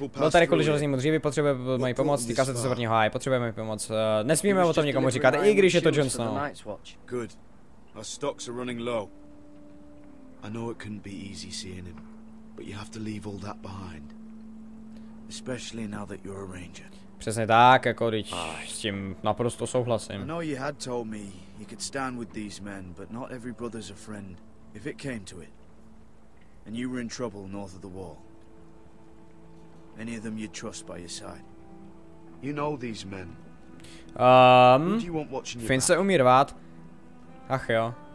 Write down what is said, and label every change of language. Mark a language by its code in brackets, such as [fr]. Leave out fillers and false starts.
[cs] Byl tady kvůli železnímu dřívi, potřebuje moji pomoc, týká se to severního háje, potřebuje moji pomoc. Nesmíme o tom nikomu říkat, i když je to Jon Snow. [en] Good. Our stocks are running low. I know it couldn't be easy seeing him. But you have to leave all that behind, especially now that you're a ranger. [cs] Přesně tak, jako když s tím naprosto souhlasím. [en] I know you had told me you could stand with these men, but not every brother's a friend. If it came to it, and you were in trouble north of the wall, any of them you'd trust by your side? You know these men. Who do you want watching your back? [cs] Finse umí rvát. Ach jo.